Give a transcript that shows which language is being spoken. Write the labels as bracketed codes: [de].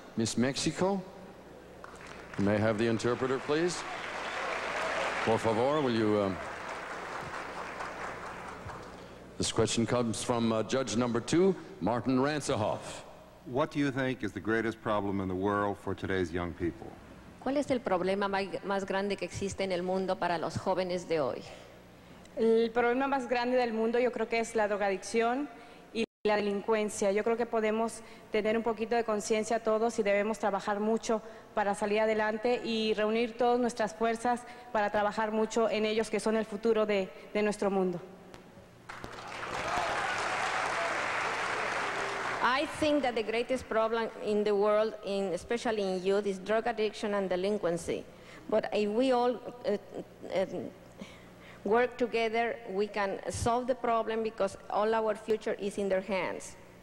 [en] Miss Mexico, you may have the interpreter, please. [es] Por favor, [en] will you... This question comes from judge number 2, Martin Rantzehoff. What do you think is the greatest problem in the world for today's young people? [es] ¿Cuál es el problema más grande que existe en el mundo para los jóvenes de hoy? El problema más grande del mundo yo creo que es la drogadicción y la delincuencia. Yo creo que podemos tener un poquito de conciencia todos y debemos trabajar mucho para salir adelante y reunir todas nuestras fuerzas para trabajar mucho en ellos que son el futuro de nuestro mundo. [en] I think that the greatest problem in the world, especially in youth, is drug addiction and delinquency. But if we all work together, we can solve the problem because all our future is in their hands.